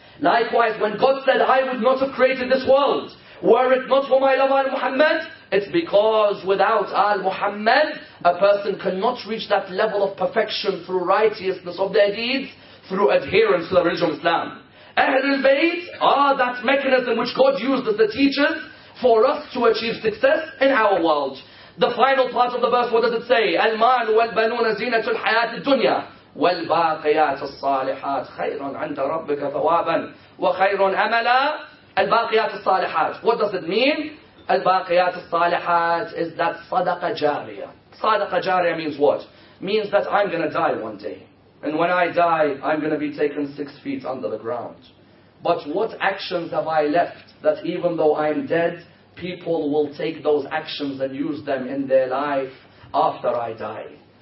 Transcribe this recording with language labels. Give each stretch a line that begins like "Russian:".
English: Likewise, when God said, I would not have created this world, were it not for my love, Al-Muhammad, it's because without Al-Muhammad, a person cannot reach that level of perfection through righteousness of their deeds, through adherence to the religion of Islam. Ahlul Bayt are that mechanism which God used as the teachers for us to achieve success in our world. The final part of the verse, what does it say?
Arabic: Al-Mal wal-Banuna zinatul hayat al-dunya. والباقيات الصالحات خير عند ربك ثوابا وخير املا الباقيات الصالحات.
English: What does it mean?
Arabic: الباقيات الصالحات
English: is that
Arabic: صدقة جارية.
English: صدقة جارية means what? Means that I'm gonna die one day, and when I die I'm gonna be taken 6 feet under the ground. But what actions have I left that even though I'm dead, people will take those actions and use them in their life after I die?